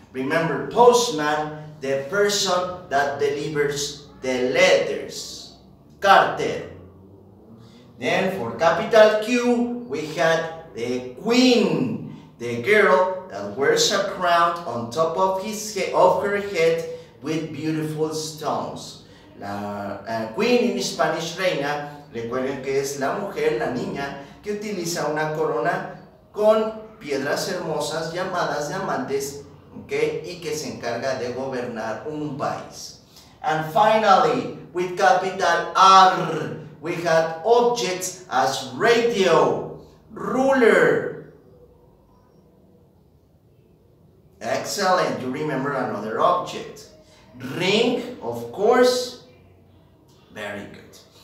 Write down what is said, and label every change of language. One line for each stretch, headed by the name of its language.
English: Remember postman, the person that delivers the letters, cartel. Then for capital Q, we had the queen, the girl that wears a crown on top of his head, of her head, with beautiful stones.
Spanish: La
English: queen in Spanish,
Spanish: reina, recuerden que es la mujer, la niña, que utiliza una corona con piedras hermosas llamadas diamantes, okay, y que se encarga de gobernar un país.
English: And finally, with capital R, we had objects as radio, ruler. Excellent, you remember another object. Ring, of course. Very good.